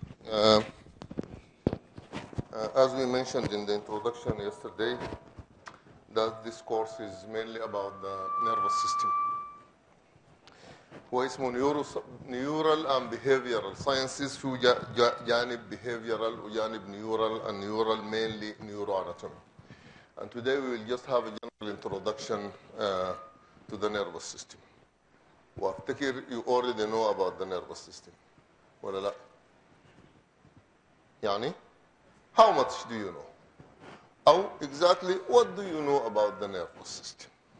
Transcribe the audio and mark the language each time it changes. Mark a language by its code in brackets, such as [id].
[en] As we mentioned in the introduction yesterday, that this course is mainly about the nervous system. [ar] واسمه نيورال اند بيهيفيرال ساينسز، في جانب بيهيفيرال وجانب نيورال، اند نيورال مينلي نيورو اناتومي. [en] And today we will just have a general introduction to the nervous system. [ar] وافتكر [en] you already know about the nervous system. [ar] ولا لا؟ يعني [en] how much do you know? [ar] أو [en] exactly what do you know about the nervous system?